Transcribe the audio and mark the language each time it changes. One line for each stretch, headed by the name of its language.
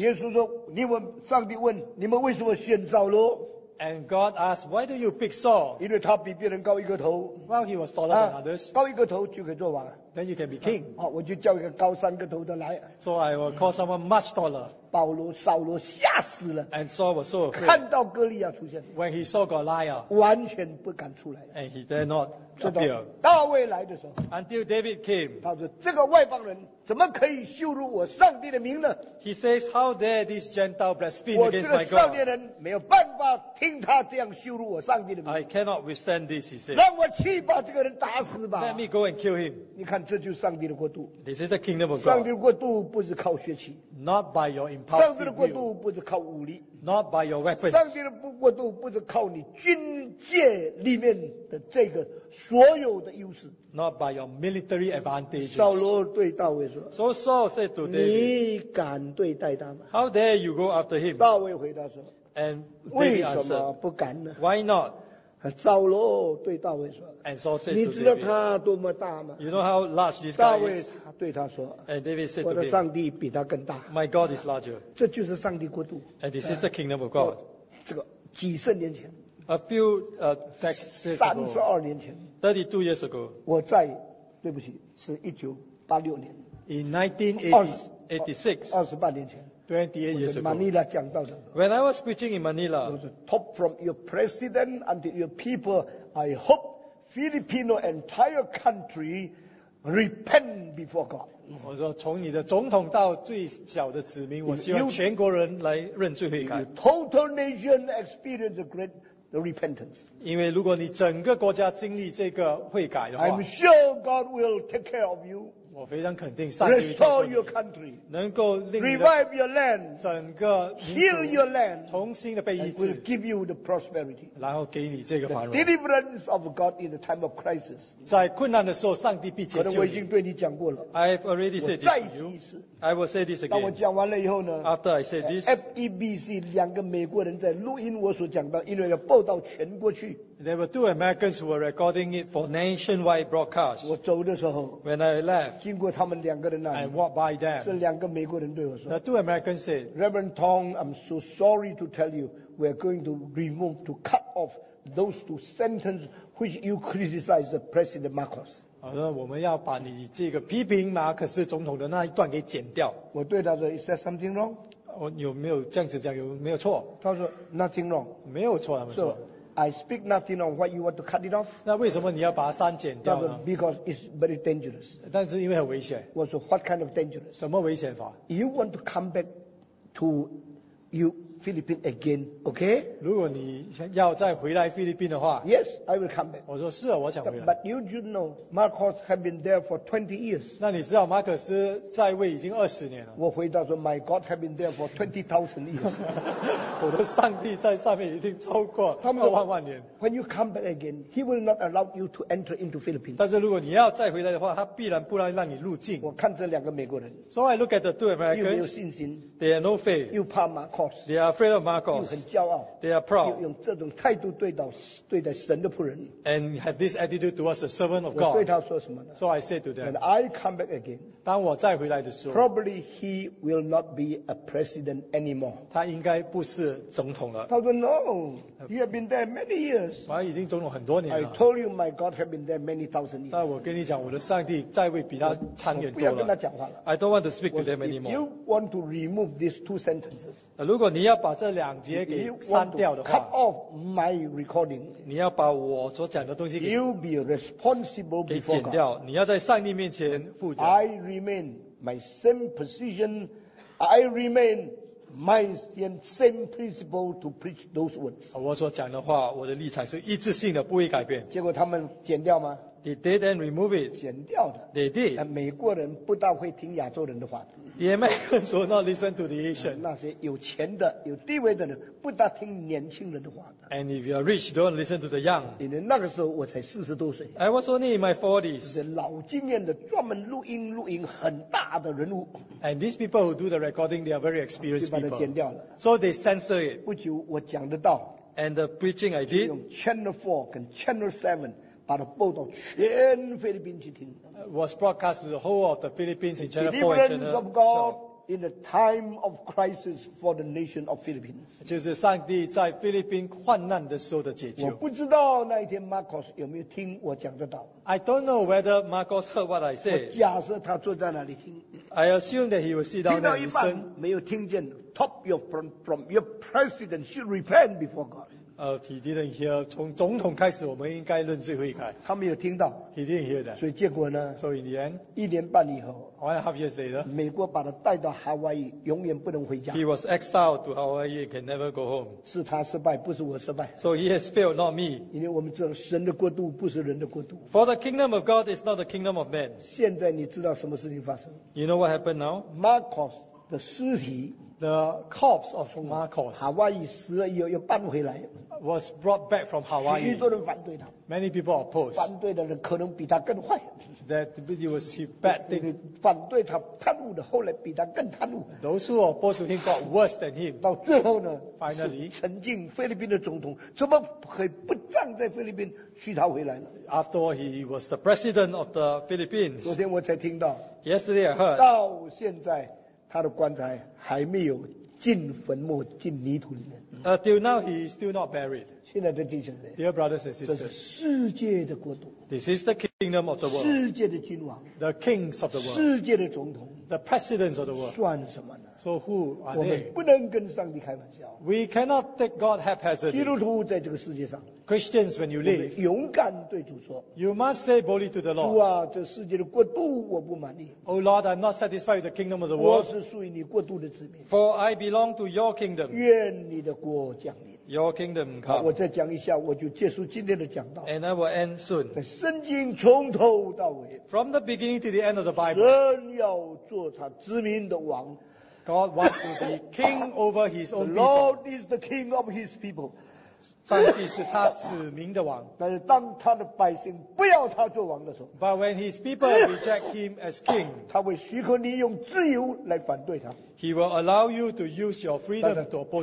Chinese: 耶稣说, 你们, 上帝问, 你们为什么选扫罗?
English: And God asked, why do you pick Saul?
Chinese: 因为他比别人高一个头,
English: well, he was taller than others.
Chinese: 高一个头就可以做王,
English: then you can be king.
Chinese: 我就叫一个高三个头的来,
English: so I will call someone much taller.
Chinese: 保罗, 扫罗吓死了,
English: and Saul was so afraid.
Chinese: 看到哥利亚出现,
English: when he saw Goliath,
Chinese: 完全不敢出来,
English: and he dare not appear.
Chinese: 大卫来的时候,
English: until David came,
Chinese: 他说, 这个外邦人, 怎么可以羞辱我上帝的名呢?
English: He says, how dare this Gentile blaspheme against my God?
Chinese: 我这个少年人没有办法听他这样羞辱我上帝的名。
English: I cannot withstand this, he says.
Chinese: 让我去把这个人打死吧。
English: Let me go and kill him.
Chinese: 你看这就是上帝的国度。
English: This is the kingdom of God.
Chinese: 上帝的国度不是靠血气。
English: Not by your impulsive will.
Chinese: 上帝的国度不是靠武力。
English: Not by your weapons.
Chinese: 上帝的国度不是靠你军界里面的这个所有的优势。
English: Not by your military advantages.
Chinese: 扫罗对大卫说,
English: So Saul said to David,
Chinese: 你敢对待他吗?
English: How dare you go after him?
Chinese: 大卫回答说,
English: And David answered, Why not?
Chinese: 扫罗对大卫说,
English: And Saul said to David,
Chinese: 你知道他多么大吗?
English: You know how large this guy
Chinese: 大卫对他说,
English: is? And David said to him,
Chinese: 我的上帝比他更大,
English: My God is larger.
Chinese: 这就是上帝国度,
English: And this is the kingdom of God.
Chinese: 这个几十年前,
English: A few decades ago,
Chinese: 32年前,
English: 32 years ago,
Chinese: 我在, 对不起, 是1986年,
English: in 1986, 28 years ago,
Chinese: Manila 讲到的,
English: when I was preaching in Manila, it was a top from your president and your people, I hope Filipino entire country repent before God.
Chinese: 我说从你的总统到最小的子民, 我希望全国人来认罪悔改。
English: Total nation experience a great The repentance.
Chinese: 因为如果你整个国家经历这个悔改的话,
English: I'm sure God will take care of you.
Chinese: 我非常肯定,
English: Restore your country.
Chinese: 能够令你的,
English: Revive your land.
Chinese: 整个民族,
English: Heal your land.
Chinese: 重新的被医治,
English: and will give you the prosperity.
Chinese: 然后给你这个繁荣,
English: the deliverance of God in the time of crisis.
Chinese: 在困难的时候, 上帝必解救你。可能我已经对你讲过了,
English: I've already said this to you. I will say this again.
Chinese: 当我讲完了以后呢,
English: After I say this,
Chinese: FEBC 两个美国人在录音我所讲的, 因为要报到全国去。
English: There were two Americans who were recording it for nationwide broadcast.
Chinese: 我走的时候,
English: when I left,
Chinese: 经过他们两个人那里,
English: I walked by them.
Chinese: 是两个美国人对我说,
English: the two Americans said, Reverend Tong, I'm so sorry to tell you, we're going to remove, to cut off those two sentences which you criticized the President Marcos.
Chinese: 我说我们要把你这个批评马可斯总统的那一段给剪掉。我对他说,
English: is that something wrong?
Chinese: 我有没有这样子讲, 有没有错? 他说,
English: nothing wrong.
Chinese: 没有错, 他们说。
English: I speak nothing on what you want to cut it off.
Chinese: 那为什么你要把它删减掉呢?
English: Because it's very dangerous.
Chinese: 但是因为很危险。我说,
English: what kind of dangerous?
Chinese: 什么危险法?
English: You want to come back to you 菲律宾 again, okay?
Chinese: 如果你要再回来菲律宾的话
English: ，Yes, I will come back.
Chinese: 我说是啊，我想回来。
English: But you should know, Marcos have been there for 20 years.
Chinese: 那你知道马可斯在位已经二十年了。我回答说
English: ，My God have been there for 20,000 years.
Chinese: 我的上帝在上面已经超过20,000,000年。
English: When you come back again, He will not allow you to enter into Philippines.
Chinese: 但是如果你要再回来的话，他必然不能让你入境。我看这两个美国人。
English: So I look at the two Americans.
Chinese: You 没有信心。
English: They have no faith.
Chinese: You 怕马可斯。
English: They are afraid of Marcos.
Chinese: 又很骄傲。
English: They are proud.
Chinese: 用这种态度对待神的仆人。
English: And have this attitude towards the servant of God.
Chinese: 我对他说什么呢
English: ？So I said to them. When I come back again.
Chinese: 当我再回来的时候。
English: Probably he will not be a president anymore.
Chinese: 他应该不是总统了。他说 No.
English: He has been there many years.
Chinese: 他已经总统很多年了。
English: I told you my God has been there many thousand years.
Chinese: 但我跟你讲，我的上帝在位比他长远多了。我不要跟他讲话了。
English: I don't want to speak to them anymore. If you want to remove these two sentences.
Chinese: 如果你要把这两节给删掉的话
English: cut off my recording,
Chinese: 你要把我所讲的东西
English: you'll be responsible before God.
Chinese: 给剪掉你要在上帝面前负责
English: I remain my same position I remain my same principle to preach those words
Chinese: 我所讲的话我的立场是一致性的不会改变结果他们剪掉吗
English: they didn't remove it
Chinese: 剪掉的
English: they did
Chinese: 美国人不大会听亚洲人的话
English: The Americans will not listen to the Asian.
Chinese: 那些有钱的、有地位的人，不大听年轻人的话的。
English: And if you are rich, don't listen to the young.
Chinese: 因为那个时候我才四十多岁。
English: I was only in my forties.
Chinese: 是老经验的，专门录音很大的人物。
English: And these people who do the recording, they are very experienced people.
Chinese: 就把它剪掉了。
English: So they censor it.
Chinese: 不久我讲得到。
English: And the preaching I did.
Chinese: 用 Channel 4 跟 Channel 7。把它播到全菲律宾去听。
English: Was broadcast to the whole of the Philippines in China. Deliverance of God in a time of crisis for the nation of Philippines.
Chinese: 就是上帝在菲律宾患难的时候的解救。我不知道那一天 Marcos 有没有听我讲的道。
English: I don't know whether Marcos heard what I said.
Chinese: 假设他坐在那里听。
English: I assume that he will sit down and listen.
Chinese: 没有听见
English: ，top your from your president should repent before God. He didn't hear.
Chinese: 从总统开始，我们应该认罪悔改。他没有听到。
English: He didn't hear that.
Chinese: 所以结果呢
English: ？So in the end,
Chinese: 一年半以后
English: ，one and a half years later,
Chinese: 美国把他带到 Hawaii， 永远不能回家。
English: He was exiled to Hawaii and can never go home.
Chinese: 是他失败，不是我失败。
English: So he has failed, not me.
Chinese: 因为我们知道神的国度不是人的国度。
English: For the kingdom of God is not the kingdom of man.
Chinese: 现在你知道什么事情发生
English: ？You know what happened now?
Chinese: Marcos 的尸体。
English: The corpse of Marcos.
Chinese: Hawaii 死了以后又搬回来。
English: Was brought back from Hawaii.
Chinese: 许多人反对他。
English: Many people oppose.
Chinese: 反对的人可能比他更坏。
English: That it was a bad thing.
Chinese: 反对他贪污的后来比他更贪污。
English: Those who opposed him got worse than him.
Chinese: 到最后呢
English: ？Finally.
Chinese: 曾经菲律宾的总统怎么可以不葬在菲律宾娶他回来呢
English: ？After all, he was the president of the Philippines.
Chinese: 昨天我才听到。
English: Yesterday I heard.
Chinese: 到现在。他的棺材还没有进坟墓进泥土里面。
English: Till now he is still not buried.
Chinese: 现在的弟兄们
English: ，Dear brothers and sisters，
Chinese: 这是世界的国度。
English: This is the kingdom of the world.
Chinese: 世界的君王
English: ，The kings of the world.
Chinese: 世界的总统
English: ，The presidents of the world.
Chinese: 算什么呢
English: ？So who are they？
Chinese: 我们不能跟上帝开玩笑。
English: We cannot take God haphazardly.
Chinese: 基督徒在这个世界上
English: ，Christians when you live，
Chinese: 勇敢对主说
English: ，You must say boldly to the Lord.
Chinese: 主啊，这世界的国度我不满意。
English: Oh Lord, I'm not satisfied with the kingdom of the world.
Chinese: 我是属于你国度的子民。
English: For I belong to your kingdom.
Chinese: 愿你的国降临。
English: Your kingdom come.
Chinese: 我再讲一下，我就结束今天的讲道。
English: And I will end soon.
Chinese: 圣经从头到尾。
English: From the beginning to the end of the Bible.
Chinese: 神要做他子民的王。
English: God wants to be king over his own people. The Lord is the king of his people.
Chinese: 上帝是他子民的王。但是当他的百姓不要他做王的时候。
English: But when his people reject him as king.
Chinese: 他会许可你用自由来反对他。
English: He will allow you to use your freedom to oppose him.